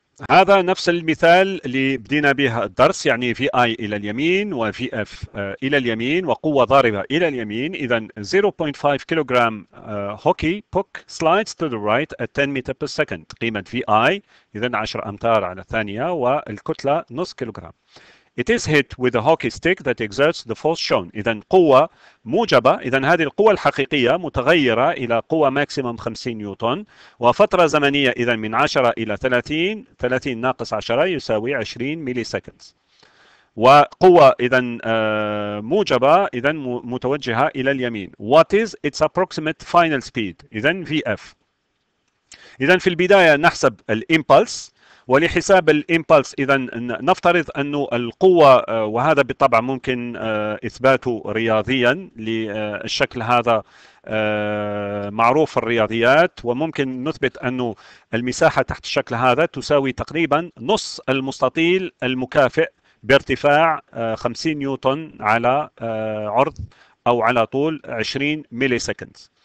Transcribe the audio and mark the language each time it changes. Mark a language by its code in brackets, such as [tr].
[ar] هذا نفس المثال اللي بدينا به الدرس، يعني في اي الى اليمين وفي اف الى اليمين وقوة ضاربة الى اليمين. اذا 0.5 كيلوغرام [en] hockey puck slides to the right at 10 متر per second, [ar] قيمة في اي اذا 10 امتار على الثانية والكتلة نص كيلوغرام. [en] It is hit with a hockey stick that exerts the force shown. [ar] إذا قوة موجبة، إذا هذه القوة الحقيقية متغيرة إلى قوة ماكسيمم 50 نيوتن، وفترة زمنية إذا من 10 إلى 30، 30 ناقص 10 يساوي 20 ملي سكند. وقوة إذا موجبة إذا متوجهة إلى اليمين. [en] What is its approximate final speed؟ [ar] إذا [en] VF. [ar] إذا في البداية نحسب الإمبلس، ولحساب الإمبالس إذا نفترض أن القوة، وهذا بالطبع ممكن إثباته رياضيا للشكل هذا معروف الرياضيات، وممكن نثبت أن المساحة تحت الشكل هذا تساوي تقريبا نص المستطيل المكافئ بارتفاع 50 نيوتن على عرض أو على طول 20 ميلي سكند.